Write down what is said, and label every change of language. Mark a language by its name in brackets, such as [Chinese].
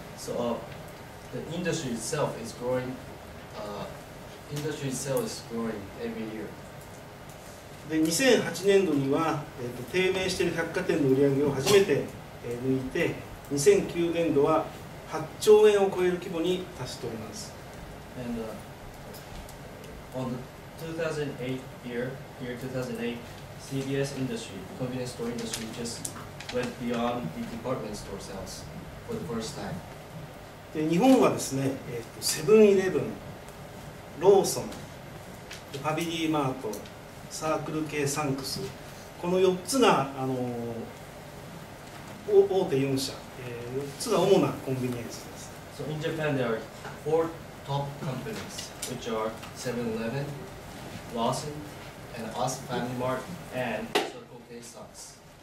[English] So, the industry itself is growing, industry itself is growing every year. [Japanese] で、2008年度には、低迷している百貨店の売上を初めて、抜いて2009年度は8兆円を超える規模に達しております。 [English] And、on the 2008 year 2008 CVS industry, the convenience store industry just went beyond the department store sales for the first time. [Japanese] で日本はですね、セブンイレブン、ローソン、ファミリーマート、サークル系サンクス、この4つが大手4社、4つが主なコンビニエンスです。 [English] So in Japan there are four top companies, which are 7-Eleven, Lawson, and us Family Mart, and Circle K Sox.